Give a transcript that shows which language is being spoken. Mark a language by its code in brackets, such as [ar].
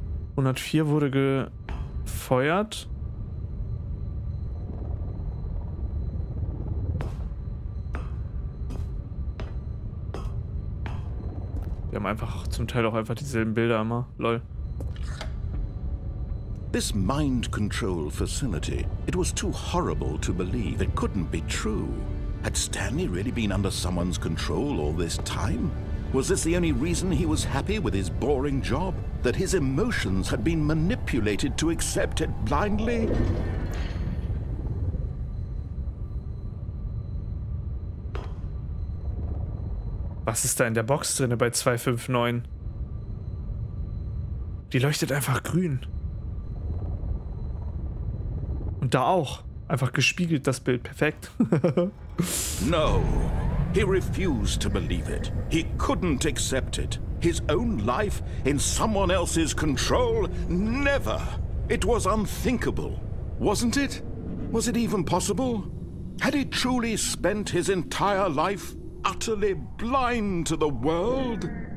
[de] 104 wurde gefeuert. Wir haben einfach zum Teil auch einfach dieselben Bilder immer. Lol. [en] This mind control facility. It was too horrible to believe. It couldn't be true. Had Stanley really been under someone's control all this time? Was this the only reason he was happy with his boring job? That his emotions had been manipulated to accept it blindly? [de] Was ist da in der Box drinne bei 259? Die leuchtet einfach grün. Und da auch. Einfach gespiegelt das Bild. Perfekt. [en] No. He refused to believe it. He couldn't accept it. His own life in someone else's control? Never. It was unthinkable. Wasn't it? Was it even possible? Had he truly spent his entire life utterly blind to the world?